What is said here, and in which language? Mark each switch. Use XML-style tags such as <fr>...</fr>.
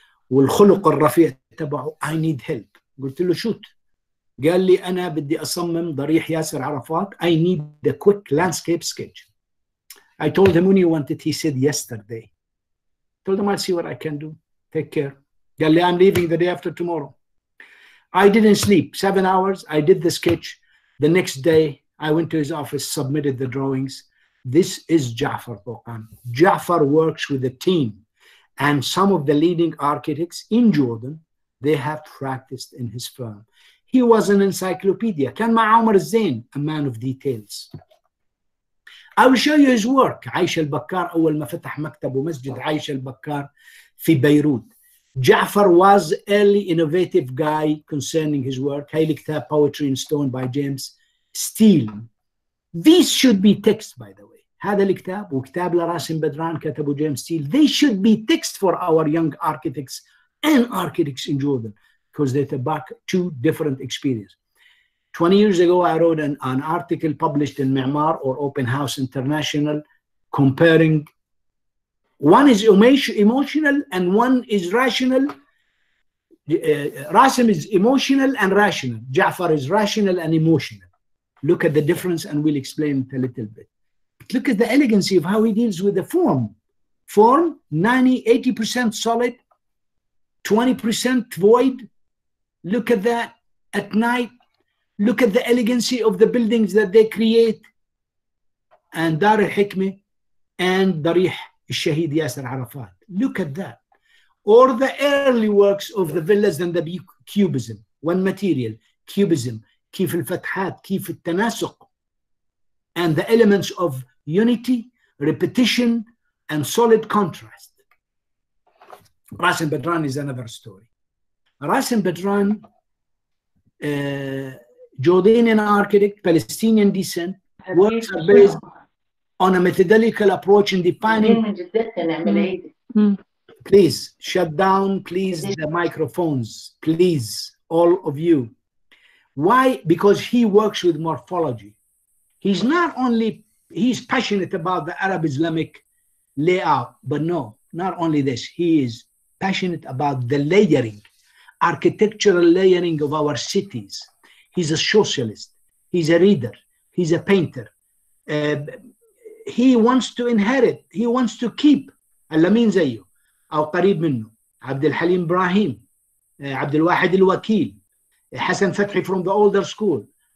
<ar>والخلق الرفيع تبعه</ar> <en>I need help</en> <ar>قلت له شوت قال لي أنا بدي أصمم ضريح ياسر عرفات</ar> <en>I need the quick landscape sketch I told him when you want it he said yesterday told him I'll see what I can do take care</en> <ar>قال لي</ar> <en>I'm leaving the day after tomorrow. I didn't sleep. 7 hours. I did the sketch. The next day, I went to his office, submitted the drawings. This is Jafar Toqan. Jafar works with a team. And some of the leading architects in Jordan, they have practiced in his firm. He was an encyclopedia.</en> <ar>كان مع عمر الزين,</ar> <en>a man of details. I will show you his work.</en> <ar>عايش البكار أول ما فتح مكتب ومسجد عايش البكار في بيروت.</ar> <en>Jafar was an early innovative guy concerning his work. Hayli Kitab, Poetry in Stone by James Steele. These should be texts, by the way.</en> <ar>هذا الكتاب وكتاب لراسم بدران كتبه James Steele.</ar> <en>They should be texts for our young architects and architects in Jordan because they tabak two different experiences. 20 years ago, I wrote an article published in Mi'mar or Open House International comparing One is emotional and one is rational. Rasim is emotional and rational. Jafar is rational and emotional. Look at the difference and we'll explain it a little bit. But look at the elegancy of how he deals with the form. Form, 90, 80% solid, 20% void. Look at that at night. Look at the elegancy of the buildings that they create. And Dar al-Hikmah and Darih al-Shahid Yasser Arafat. Look at that. Or the early works of the villas and the cubism. One material, cubism.</en> <ar>كيف الفتحات, كيف التناسق.</ar> <en>And the elements of unity, repetition, and solid contrast. Rasim Badran is another story. Rasim Badran, Jordanian architect, Palestinian descent, works are based on a methodological approach in defining... Please, shut down, please, the microphones. Please, all of you. Why? Because he works with morphology. He's not only, he's passionate about the Arab Islamic layout, but no, not only this. He is passionate about the layering, architectural layering of our cities. He's a socialist. He's a reader. He's a painter. He wants to inherit. He wants to keep.</en> <ar>Al-Amin Zayyo, أو قريب منه. عبد الحليم إبراهيم. عبد الواحد الوكيل. حسن فتحي</ar> <en>from the older school.</en>